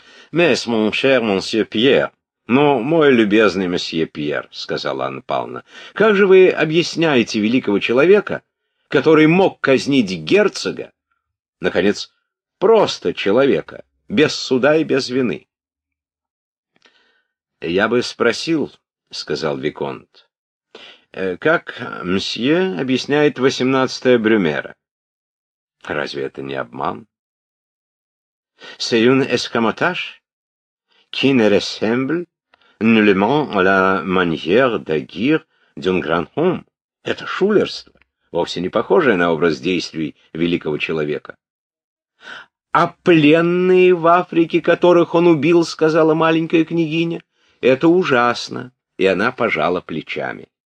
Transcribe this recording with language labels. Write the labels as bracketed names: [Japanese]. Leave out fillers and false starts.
[French] «Месс, мон шер, монсье Пьер, [Russian] ну, мой любезный месье Пьер», — сказала Анна Павловна, — «как же вы объясняете великого человека, который мог казнить герцога, наконец, просто человека, без суда и без вины?» «Я бы спросил», — сказал виконт, — «как мсье объясняет 18-е Брюмера? Разве это не обман?» [French] «C'est un escamotage qui ne ressemble nullement à la manière d'agir d'un grand homme». [Russian] «Это шулерство, вовсе не похожее на образ действий великого человека». «А пленные в Африке, которых он убил, — сказала маленькая княгиня, — это ужасно», и она пожала плечами.